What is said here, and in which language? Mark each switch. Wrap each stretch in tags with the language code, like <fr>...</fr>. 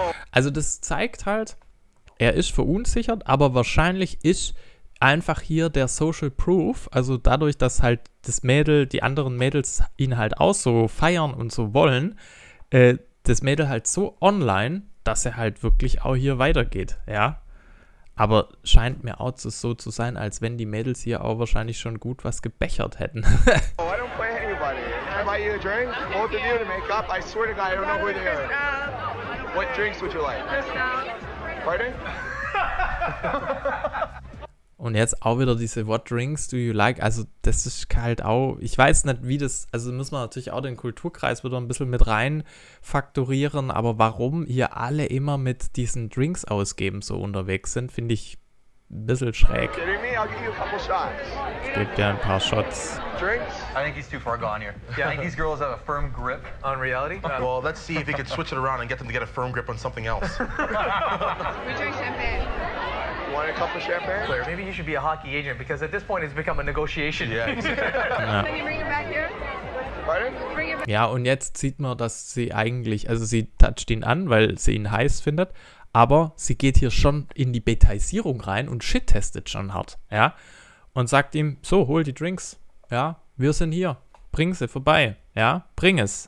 <de>Also das zeigt halt, er ist verunsichert, aber wahrscheinlich ist einfach hier der Social Proof, also dadurch, dass halt das Mädel, die anderen Mädels ihn halt auch so feiern und so wollen, das Mädel halt so online, dass er halt wirklich auch hier weitergeht, ja. Aber scheint mir auch so zu sein, als wenn die Mädels hier auch wahrscheinlich schon gut was gebechert hätten.</de> <en>Oh, I don't play anybody. I buy you a drink. Both of you to make up. I swear to God, I don't know who they are. What drinks would you like? Pardon?</en> <de>Und jetzt auch wieder diese</de> <en>What drinks do you like?</en> <de>Also das ist halt auch, ich weiß nicht, wie das, also muss man natürlich auch den Kulturkreis wieder ein bisschen mit rein faktorieren, aber warum hier alle immer mit diesen Drinks ausgeben so unterwegs sind, finde ich ein bisschen schräg. Es gibt ja ein paar Shots.</de> <en>Drinks? I think he's too far gone here. Yeah. I think these girls have a firm grip on reality. Well, let's see if we can switch it around and get them to get a firm grip on something else. We drink champagne. Want a cup of champagne? Claire, maybe you should be a hockey agent, because at this point it's become a negotiation. Yeah. Can you bring it back here? Pardon?</en> <de>Ja, und jetzt sieht man, dass sie eigentlich, also sie toucht ihn an, weil sie ihn heiß findet, aber sie geht hier schon in die Betaisierung rein und shit-testet schon hart, ja, und sagt ihm, so, hol die Drinks, ja, wir sind hier, bring sie vorbei, ja, bring es.</de>